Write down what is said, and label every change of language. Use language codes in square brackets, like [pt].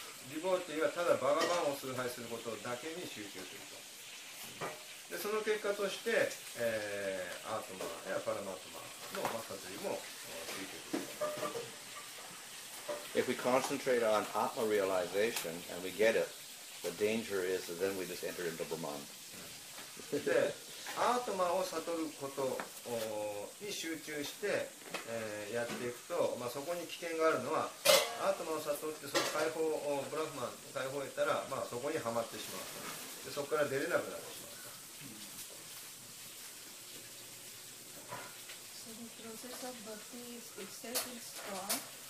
[ja] ディボティはただバガバンを崇拝することだけに集中すると。で、その結果として、アートマやパラマートマの摩擦にも集中すると。 [en] If we concentrate on Atma realization and we get it, the danger is that then we just enter into Brahman. [ja] Atma を悟ることに集中してやっていくと、まあそこに危険があるのは、Atma を悟ってその解放をブラフマン解放を得たら、まあそこにはまってしまう。で、そこから出れなくなってしまう。 [en] So the process of bhakti is itself strong.